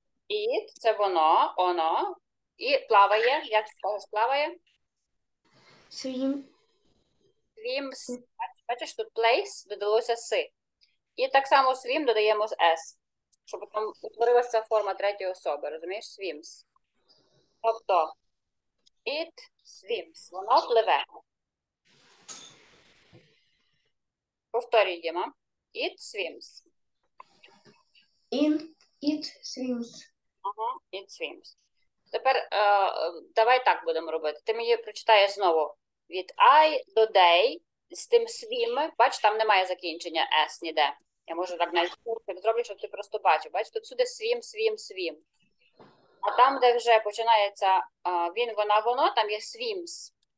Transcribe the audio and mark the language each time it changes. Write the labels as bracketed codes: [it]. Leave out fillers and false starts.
[uk] It, це воно, оно. І плаває, як скажеш, плаває? [en] Swim. Swims. [uk] Бачиш, тут place додалося си. І так само swim додаємо з s, щоб там утворилася форма третьої особи, розумієш? [en] Swims. [uk] Тобто, [en] it swims. [uk] Воно пливе. Повторюй, Діма. [en] It swims. In it swims. Ага, it swims. [uk] Тепер давай так будемо робити. Ти мені прочитаєш знову. Від I до they. З тим swim, бач, там немає закінчення S ніде. Я можу так навіть зроблю, щоб ти просто бачив. Бач, тут сюди swim, swim, swim. А там, де вже починається він, вона, воно, там є swims.